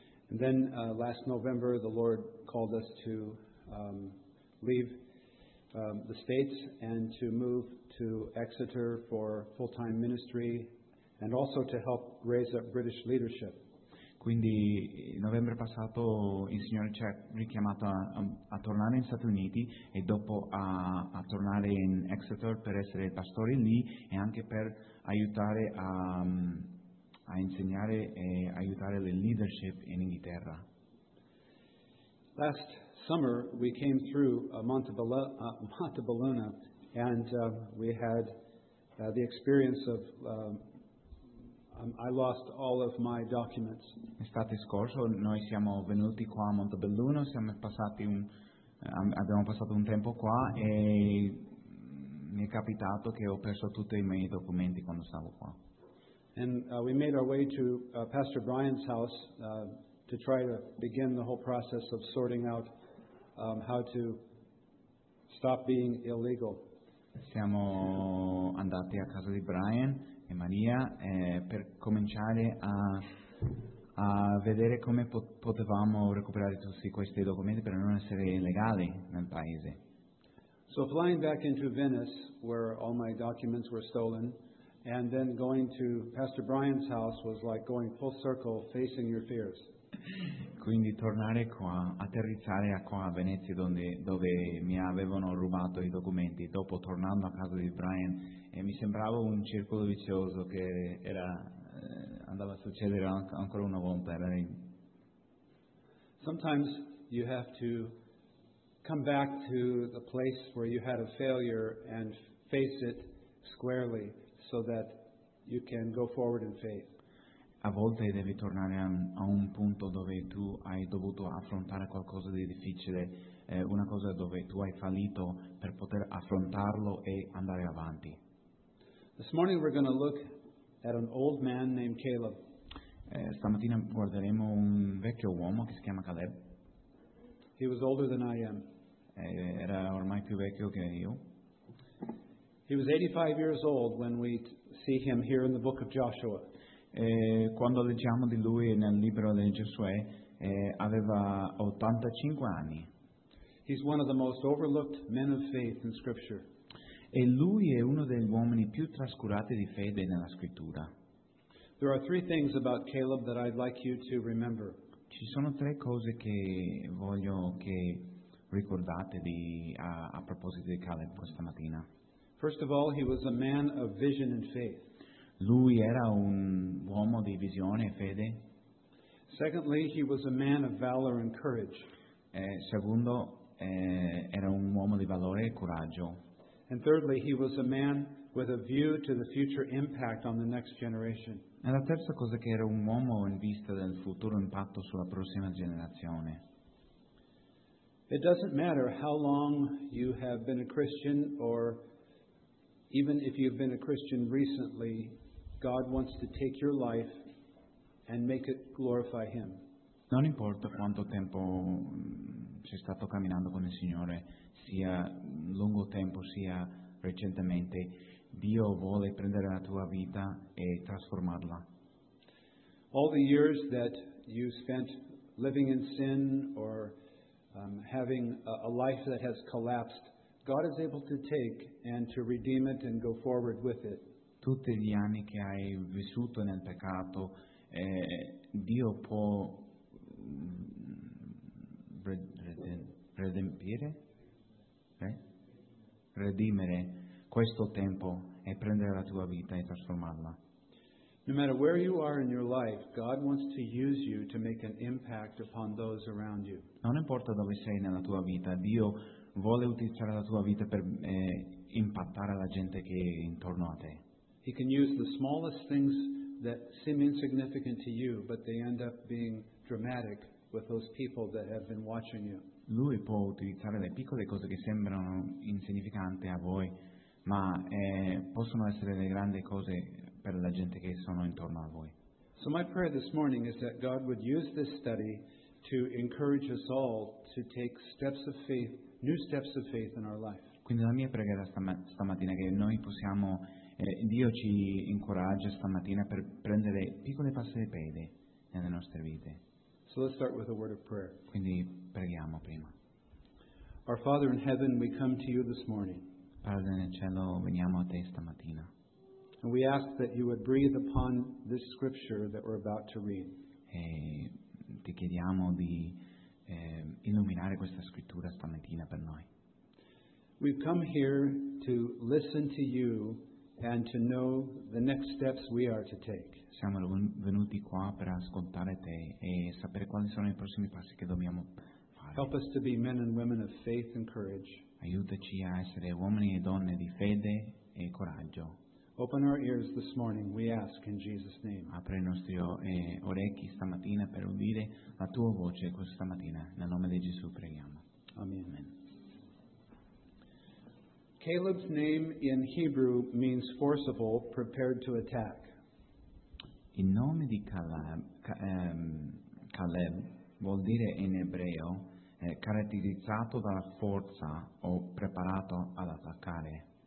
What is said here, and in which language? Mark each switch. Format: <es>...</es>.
<en>And then last November the Lord called us to leave the States and to move to Exeter for full-time ministry and also to help raise up British leadership.</en> <it>Quindi il novembre passato il Signore ci ha richiamato a tornare in Stati Uniti e dopo a tornare in Exeter per essere pastore lì e anche per aiutare a insegnare e aiutare le leadership in Inghilterra.</it> <en>Last summer we came through Montebelluna and we had the experience of I lost all of my documents.</en> <it>Estate scorso noi siamo venuti qua a Montebelluna, abbiamo passato un tempo qua e mi è capitato che ho perso tutti i miei documenti quando stavo qua.</it> <en>And we made our way to Pastor Brian's house to try to begin the whole process of sorting out how to stop being illegal.</en> <it>Siamo andati a casa di Brian e Maria per cominciare a vedere come potevamo recuperare tutti questi documenti per non essere illegali nel paese.</it> <en>So flying back into Venice where all my documents were stolen and then going to Pastor Brian's house was like going full circle facing your fears.</en> <it>Quindi tornare qua, atterrizzare qua a Venezia dove mi avevano rubato i documenti, dopo tornando a casa di Brian, e mi sembrava un circolo vizioso che era andava a succedere ancora una volta.</it> <en>Sometimes you have to come back to the place where you had a failure and face it squarely so that you can go forward in faith.</en> <it>A volte devi tornare a un punto dove tu hai dovuto affrontare qualcosa di difficile, una cosa dove tu hai fallito per poter affrontarlo e andare avanti.</it> <en>This morning we're going to look at an old man named Caleb.</en> <it>Stamattina guarderemo un vecchio uomo che si chiama Caleb.</it> <en>He was older than I am.</en> <it>Era ormai più vecchio che io.</it> <en>He was 85 years old when we see him here in the book of Joshua.</en> <it>E quando leggiamo di lui nel libro di Giosuè aveva 85 anni.</it> <en>He's one of the most overlooked men of faith in scripture.</en> <it>E lui è uno degli uomini più trascurati di fede nella scrittura.</it> <en>There are three things about Caleb that I'd like you to remember.</en> <it>Ci sono tre cose che voglio che ricordate a proposito di Caleb questa mattina.</it> <en>First of all, he was a man of vision and faith.</en> <it>Lui era un uomo di visione e fede.</it> <en>Secondly, he was a man of valor and courage.</en> <it>Secondo, era un uomo di valore e coraggio.</it> <en>And thirdly, he was a man with a view to the future impact on the next generation.</en> <it>E la terza cosa che era un uomo in vista del futuro impatto sulla prossima generazione.</it> <en>It doesn't matter how long you have been a Christian or even if you've been a Christian recently, God wants to take your life and make it glorify Him.</en> <it>Non importa quanto tempo sei stato camminando con il Signore, sia lungo tempo, sia recentemente, Dio vuole prendere la tua vita e trasformarla.</it> <en>All the years that you spent living in sin or having a life that has collapsed, God is able to take and to redeem it and go forward with it.</en> <it>Tutti gli anni che hai vissuto nel peccato, Dio può redimere questo tempo e prendere la tua vita e trasformarla.</it> <en>No matter where you are in your life, God wants to use you to make an impact upon those around you.</en> <it>Non importa dove sei nella tua vita, Dio vuole utilizzare la tua vita per impattare la gente che è intorno a te.</it> <en>He can use the smallest things that seem insignificant to you, but they end up being dramatic with those people that have been watching you.</en> <it>Lui può utilizzare le piccole cose che sembrano insignificanti a voi, ma possono essere le grandi cose per la gente che sono intorno a voi.</it> <en>So my prayer this morning is that God would use this study to encourage us all to take steps of faith, new steps of faith in our life.</en> <it>Quindi la mia preghiera stamattina è che noi possiamo Dio ci incoraggia stamattina per prendere piccole passi di fede nelle nostre vite.</it> <en>So let's start with a word of prayer.</en> <it>Quindi preghiamo prima.</it> <en>Our Father in heaven, we come to you this morning.</en> <it>Padre nel cielo, veniamo a te stamattina.</it> <en>And we ask that you would breathe upon this scripture that we're about to read.</en> <it>e ti chiediamo di illuminare questa scrittura stamattina per noi.</it> <en>We've come here to listen to you and to know the next steps we are to take.</en> <it>Siamo venuti qua per ascoltare te e sapere quali sono i prossimi passi che dobbiamo fare.</it> <en>Help us to be men and women of faith and courage.</en> <it>Aiutaci a essere uomini e donne di fede e coraggio.</it> <en>Open our ears this morning, we ask in Jesus' name.</en> <it>Apri i nostri orecchi stamattina per udire la tua voce questa mattina. Nel nome di Gesù preghiamo. Amen.</it> <en>Caleb's name in Hebrew means forceful, prepared to attack.</en> <it>Il nome di Caleb vuol dire in ebreo caratterizzato dalla forza o preparato ad attaccare.</it>